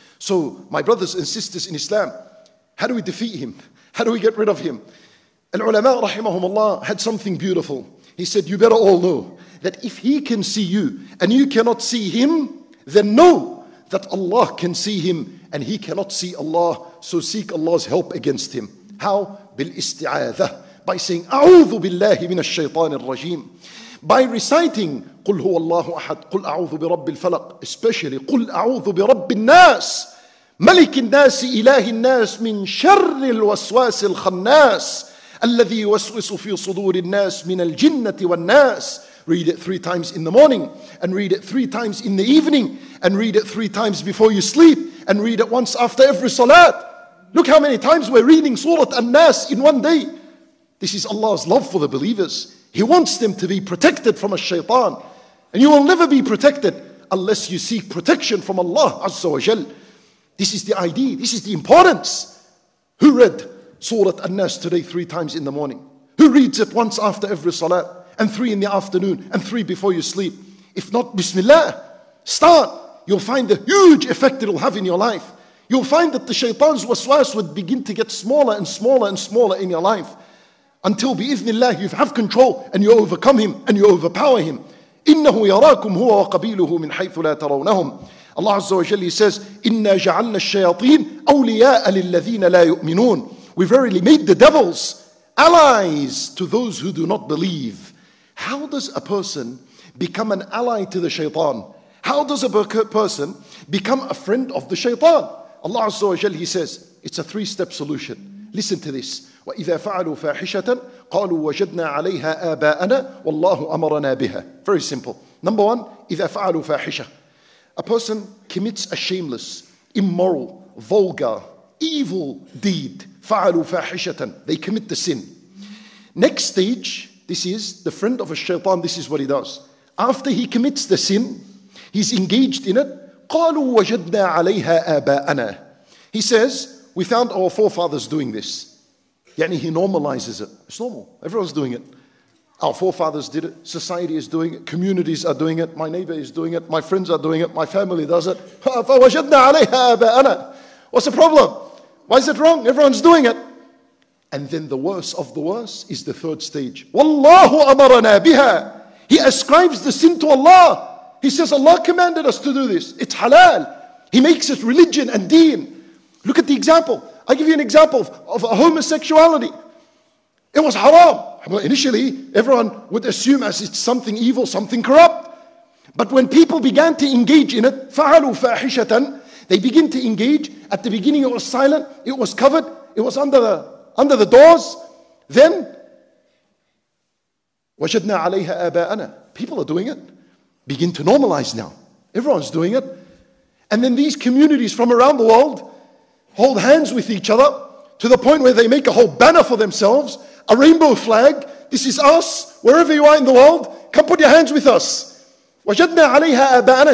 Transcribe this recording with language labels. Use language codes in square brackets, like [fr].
[en] So, my brothers and sisters in Islam, how do we defeat him? How do we get rid of him? Al-ulama, rahimahum Allah, had something beautiful. He said, you better all know that if he can see you and you cannot see him, then know that Allah can see him and he cannot see Allah. So seek Allah's help against him. How? بِالْإِسْتِعَاذَةِ. By saying, [ar] أَعُوذُ بِاللَّهِ مِنَ الشَّيْطَانِ الرَّجِيمِ. [en] By reciting, [ar] قُلْ هُوَ اللَّهُ أَحَدْ قُلْ أَعُوذُ بِرَبِّ الْفَلَقِ. Especially, قُلْ أَعُوذُ بِرَبِّ النَّاسِ مَلِكِ النَّاسِ إِلَهِ النَّاسِ مِنْ شَرِّ الْوَسْوَاسِ الْخَنَّاسِ الَّذِي يُوَسْوِسُ فِي صُدُورِ النَّاسِ مِنَ الْجِنَّةِ وَالنَّاسِ. [en] Read it 3 times in the morning, and read it 3 times in the evening, and read it 3 times before you sleep, and read it once after every salat. Look how many times we're reading Surah An-Nas in one day. This is Allah's love for the believers. He wants them to be protected from a shaitan. And you will never be protected unless you seek protection from Allah Azza wa Jal. This is the idea. This is the importance. Who read Surah An-Nas today 3 times in the morning? Who reads it once after every salat? And 3 in the afternoon? And 3 before you sleep? If not, Bismillah. Start. You'll find the huge effect it'll have in your life. You'll find that the shaitan's waswas would begin to get smaller and smaller and smaller in your life. Until bi-ithnillah you have control and you overcome him and you overpower him. [ar] إِنَّهُ يَرَاكُمْ هُوَ وَقَبِيلُهُ مِنْ حَيْثُ لَا تَرَوْنَهُمْ. [en] Allah Azza wa Jalla says, [ar] إِنَّا جَعَلْنَا الشَّيَاطِينَ أَوْلِيَاءَ لِلَّذِينَ لَا يُؤْمِنُونَ. [en] We verily made the devils allies to those who do not believe. How does a person become an ally to the shaitan? How does a person become a friend of the shaitan? Allah Azza wa Jalla, he says, it's a 3-step solution. Listen to this. [ar] وَإِذَا فَعَلُوا فَاحِشَةً قَالُوا وَجَدْنَا عَلَيْهَا آبَاءَنَا وَاللَّهُ أَمَرَنَا بِهَا. [en] Very simple. Number one, [ar] إذا فعلوا فاحشة. [en] A person commits a shameless, immoral, vulgar, evil deed. [ar] فعلوا فاحشة. [en] They commit the sin. Next stage, this is the friend of a shaitan, this is what he does. After he commits the sin, he's engaged in it. [ar] قالوا وجدنا عليها آباءنا. [en] He says, we found our forefathers doing this. يعني he normalizes it. It's normal. Everyone's doing it. Our forefathers did it. Society is doing it. Communities are doing it. My neighbor is doing it. My friends are doing it. My family does it. [ar] فوجدنا عليها آباءنا. [en] What's the problem? Why is it wrong? Everyone's doing it. And then the worst of the worst is the third stage. [ar] والله أمرنا بها. [en] He ascribes the sin to Allah. He says, Allah commanded us to do this. It's halal. He makes it religion and deen. Look at the example. I'll give you an example of a homosexuality. It was haram. But initially, everyone would assume as it's something evil, something corrupt. But when people began to engage in it, [ar] فَعَلُوا فَاحِشَةً, [en] they begin to engage. At the beginning, it was silent. It was covered. It was under the doors. [ar] Then, وَجَدْنَا عَلَيْهَا آبَاءَنَا. [en] People are doing it. Begin to normalize now. Everyone's doing it. And then these communities from around the world hold hands with each other to the point where they make a whole banner for themselves, a rainbow flag. This is us. Wherever you are in the world, come put your hands with us. [ar] وَجَدْنَا عَلَيْهَا آبَاءَنَا.